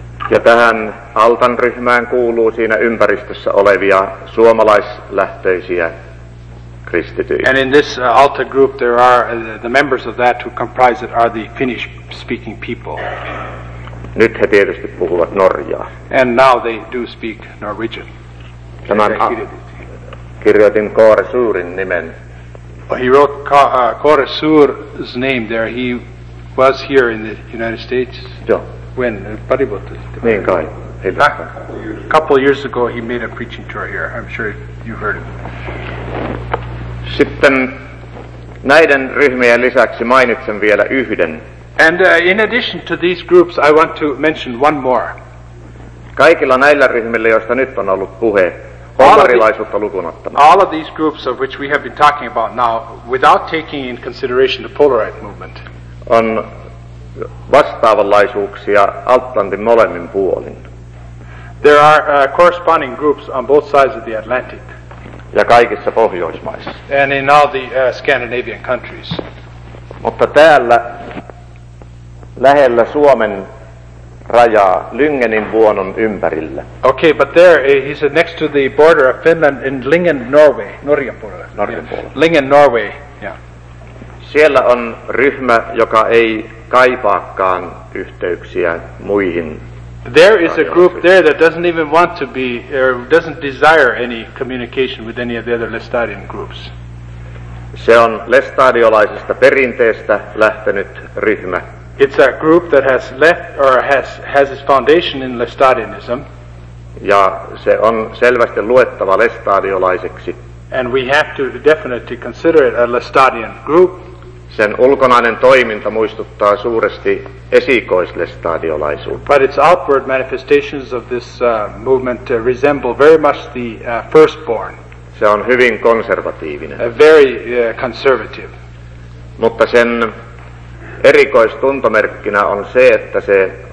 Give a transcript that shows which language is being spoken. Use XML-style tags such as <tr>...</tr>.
<fi>Ja tähän Altan ryhmään kuuluu siinä ympäristössä olevia suomalaislähtöisiä kristityjä.</fi> <en>And in this Alta group there are the members of that who comprise it are the Finnish speaking people.</en> <fi>Nyt he tietysti puhuvat norjaa.</fi> <en>And now they do speak Norwegian.</en> <fi>Tämän kirjoitin Kåre Suurin nimen.</fi> <en>He wrote Kåre Suur's name there. He was here in the United States.</en> <fi>Joo.</fi> <en>When?</en> <fi>Pari vuotta sitten. Niin kai.</fi> <en>A couple years ago he made a preaching tour here. I'm sure you heard it.</en> <fi>Sitten näiden ryhmien lisäksi mainitsen vielä yhden.</fi> <en>And in addition to these groups, I want to mention one more.</en> <fi>Kaikilla näillä ryhmillä, joista nyt on ollut puhe, polarilaisuutta lukuun ottamatta.</fi> <en>All of these groups of which we have been talking about now, without taking in consideration the polarite movement,</en> <fi>on vastaavanlaisuuksia Atlantin molemmin puolin.</fi> <en>There are corresponding groups on both sides of the Atlantic.</en> <fi>Ja kaikissa Pohjoismaissa.</fi> <en>And in all the Scandinavian countries.</en> <fi>Mutta täällä lähellä Suomen rajaa, Lyngenin vuonon ympärillä.</fi> <en>Okay, but there, he said, next to the border of Finland in Lyngen, Norway.</en> <fi>Norjan puolella. Norjan puolella.</fi> <en>Lyngen, Norway, yeah.</en> <fi>Siellä on ryhmä, joka ei kaipaakaan yhteyksiä muihin.</fi> <en>There is a group there that doesn't even want to be, or doesn't desire any communication with any of the other Lestadian groups.</en> <fi>Se on lestadiolaisesta perinteestä lähtenyt ryhmä.</fi> <en>It's a group that has left or has its foundation in Lestadianism.</en> <fi>Ja se on selvästi luettava lestadiolaiseksi.</fi> <en>And we have to definitely consider it a Lestadian group.</en> <fi>Sen ulkonainen toiminta muistuttaa suuresti esikoislestadiolaisuutta.</fi> <en>But its outward manifestations of this movement resemble very much the firstborn.</en> <fi>Se on hyvin konservatiivinen.</fi> <en>Very conservative.</en> <fi>Mutta sen erikoistuntomerkkinä on se, että se</fi>